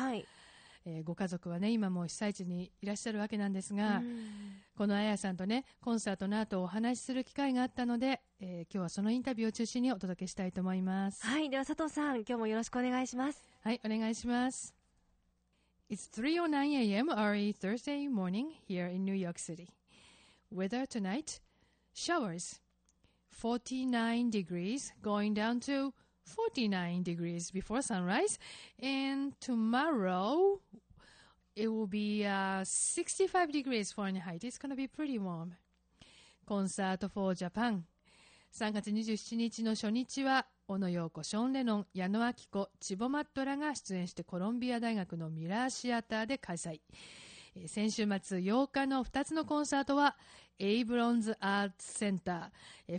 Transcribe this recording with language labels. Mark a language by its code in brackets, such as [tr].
[ja] はい、ご家族はね、今も被災地にいらっしゃるわけなんですが、うん、この彩さんとね、コンサートの後お話しする機会があったので、今日はそのインタビューを中心にお届けしたいと思います。はい、では佐藤さん、今日もよろしくお願いします。はい、お願いします。 [en] It's 3:09 a.m. early Thursday morning here in New York City. Weather tonight, showers, 49 degrees going down to 49 degrees before sunrise, and tomorrow it will be 65 degrees Fahrenheit. It's going to be pretty warm. [ja] コンサートフォージャパン。3月27日の初日は、小野陽子、ショーン・レノン、矢野顕子、チボ・マットラが出演してコロンビア大学のミラーシアターで開催。先週末8日の2つのコンサートは、エイブロンズ・アーツ・センター。